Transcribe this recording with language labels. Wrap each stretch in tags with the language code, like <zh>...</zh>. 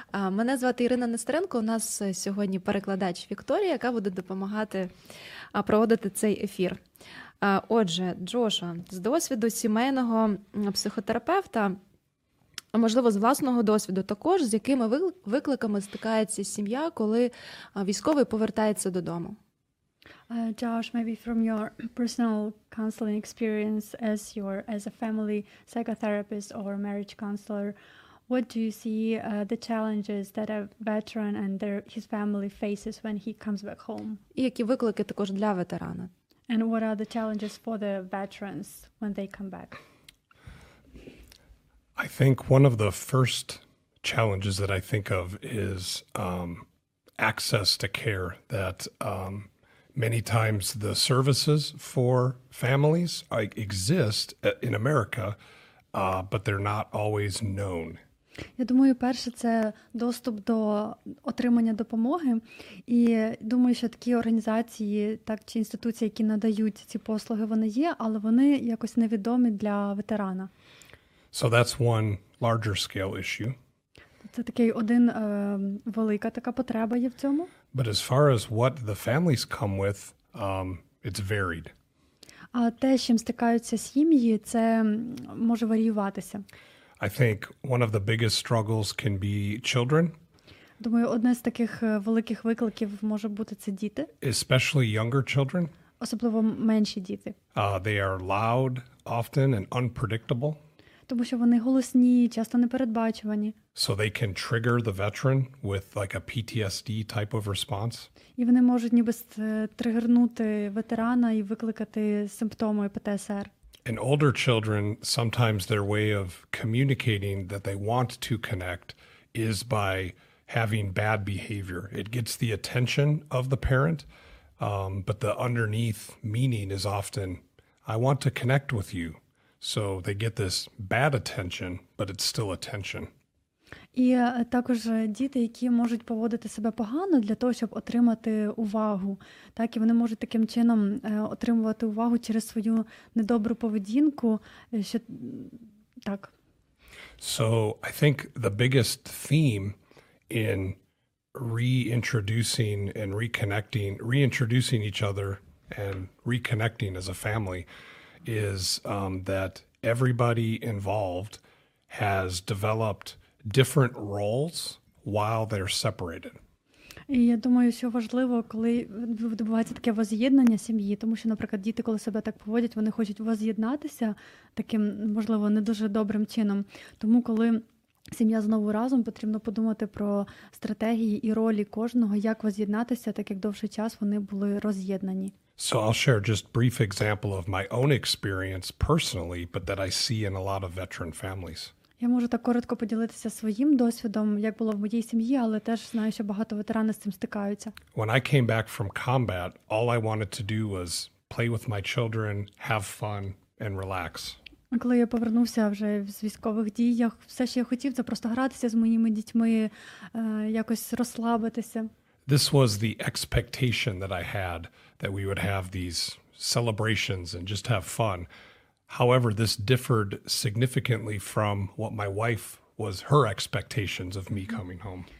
<uk>Мене звати Ірина Нестеренко, у нас сьогодні перекладач Вікторія, яка буде допомагати проводити цей ефір. Отже, Джошуа, з досвіду сімейного психотерапевта, а можливо, з власного досвіду також, з якими викликами стикається сім'я, коли військовий повертається додому?</uk> <en>Josh, maybe from your personal counseling experience as your as a family psychotherapist or marriage counselor, what do you see the challenges that a veteran and their his family faces when he comes back home?</en> <uk>І які виклики також для ветерана?</uk> <en>And what are the challenges for the veterans when they come back? I think one of the first challenges that I think of is access to care, that many times the services for families exist in America, but they're not always known.</en> <uk>Я думаю, перше – це доступ до отримання допомоги. І думаю, що такі організації так чи інституції, які надають ці послуги, вони є, але вони якось невідомі для ветерана.</uk> <en>So that's one larger scale issue.</en> <uk>Це такий один велика така потреба є в цьому.</uk> <en>But as far as what the families come with, it's varied.</en> <uk>А те, з чим стикаються сім'ї, це може варіюватися.</uk> <en>I think one of the biggest struggles can be children.</en> <uk>Думаю, одне з таких великих викликів може бути це діти.</uk> <en>Especially younger children.</en> <uk>Особливо менші діти.</uk> <en>They are loud often and unpredictable.</en> <uk>Тому що вони голосні, часто непередбачувані.</uk> <en>So they can trigger the veteran with like a PTSD type of response.</en> <uk>І вони можуть ніби тригернути ветерана і викликати симптоми ПТСР.</uk> <en>And older children, sometimes their way of communicating that they want to connect is by having bad behavior. It gets the attention of the parent, but the underneath meaning is often, I want to connect with you. So they get this bad attention, but it's still attention.</en> <uk>І також діти, які можуть поводити себе погано для того, щоб отримати увагу. Так, і вони можуть таким чином отримувати увагу через свою недобру поведінку, що так.</uk> <en>So, I think the biggest theme in reintroducing and reconnecting, reintroducing each other and reconnecting as a family is that everybody involved has developed different roles while they're separated.</en> <uk>І я думаю, що важливо, коли відбувається таке воз'єднання сім'ї, тому що, наприклад, діти, коли себе так поводять, вони хочуть воз'єднатися таким, можливо, не дуже добрим чином. Тому коли сім'я знову разом, потрібно подумати про стратегії і ролі кожного, як воз'єднатися, так як довший час вони були роз'єднані.</uk> <en>So I'll share just brief example of my own experience personally, but that I see in a lot of veteran families.</en> <uk>Я можу так коротко поділитися своїм досвідом, як було в моїй сім'ї, але теж знаю, що багато ветеранів з цим стикаються.</uk> <en>When I came back from combat, all I wanted to do was play with my children, have fun and relax.</en> <uk>Коли я повернувся вже з військових дій, я все, що я хотів, це просто гратися з моїми дітьми, якось розслабитися.</uk> <en>This was the expectation that I had, that we would have these celebrations and just have fun. However, this differed significantly from what my wife was her expectations of me coming home.</en>